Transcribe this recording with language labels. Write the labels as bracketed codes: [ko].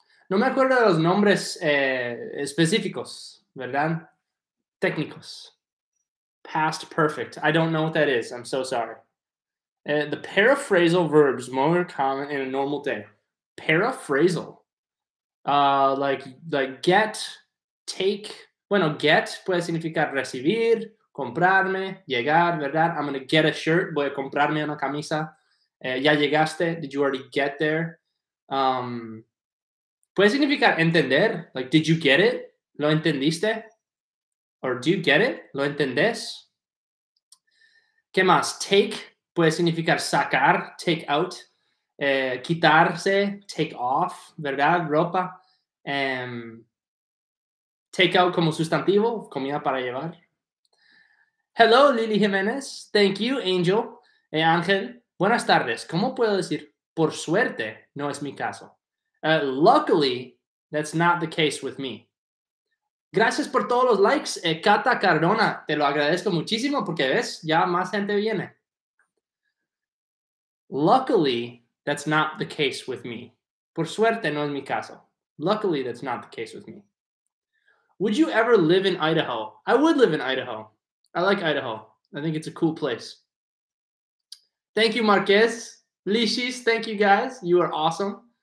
[es] No me acuerdo de los nombres específicos, ¿verdad? Técnicos. Past perfect. [en] I don't know what that is. I'm so sorry. The paraphrasal verbs more common in a normal day. Paraphrasal, like get, take. [es] Bueno, get puede significar recibir, comprarme, llegar, ¿verdad? [en] I'm going to get a shirt. [es] Voy a comprarme una camisa. Ya llegaste. [en] Did you already get there? [es] Puede significar entender. [en] Like, did you get it? [es] ¿Lo entendiste? [en] Or do you get it? [es] ¿Lo entendés? ¿Qué más? Take puede significar sacar, take out. Quitarse, take off, ¿verdad? Ropa. Take out como sustantivo, comida para llevar. Hello, Lili Jiménez. [en] Thank you, Angel. [es] Ángel, buenas tardes. ¿Cómo puedo decir por suerte? No es mi caso. [en] Luckily, that's not the case with me. [es] Gracias por todos los likes. Cata Cardona, te lo agradezco muchísimo porque ves, ya más gente viene. [en] Luckily, that's not the case with me. [es] Por suerte, no es mi caso. [en] Luckily, that's not the case with me. Would you ever live in Idaho? I would live in Idaho. I like Idaho. I think it's a cool place. Thank you, Marquez. Lishis, thank you, guys. You are awesome.